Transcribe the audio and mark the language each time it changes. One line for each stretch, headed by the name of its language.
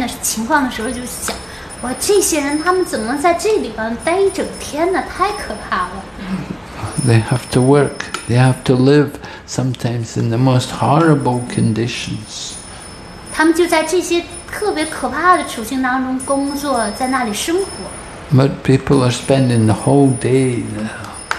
Chinese: 我们看到那些人的商店的情况的时候就想, 哇,这些人他们怎么在这里边待一整天呢? 太可怕了。
English: They have to work, they have to live sometimes in the most horrible conditions.
Chinese: 他们就在这些 特别可怕的处境当中工作，在那里生活。
English: But people are spending the whole day now.